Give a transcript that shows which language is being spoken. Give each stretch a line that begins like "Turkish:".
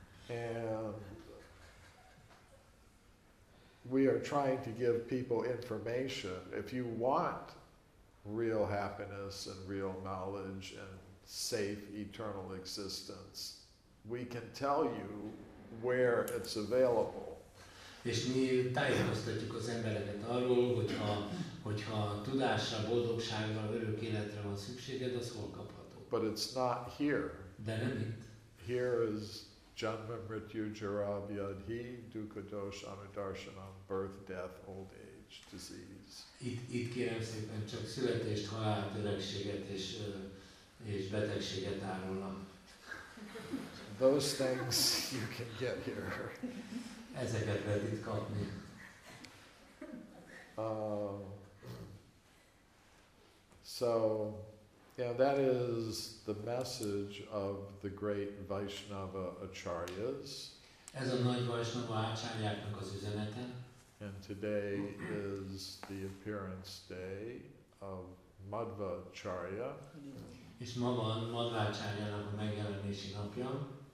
English: And we are trying to give people information. If you want real happiness and real knowledge and safe eternal existence, we can tell you where it's available.
Hungarian: És mi tájékoztatjuk az embereket arról, hogyha tudásra, boldogságra, örök életre van szükséged, az hol kapható?
English: But it's not here.
Hungarian: De nem itt.
English: Here is
Sanskrit: janma mrityu jara vyadhi dukkha dosha anudarshanam,
English: birth, death, old age, disease.
Hungarian: Itt kérem szépen csak születést, halált, öregséget és betegséget árulnak.
English: Those things you can get here.
Hungarian: Ezeket lehet itt kapni.
English: So, yeah, that is the message of the great Vaishnava acharyas.
Hungarian: Ez a nagy Vaishnava acharyáknak az üzenete.
English: And today is the appearance day of Madhva acharya.
Hungarian: És ma van Madhva acharyának a megjelenési napja.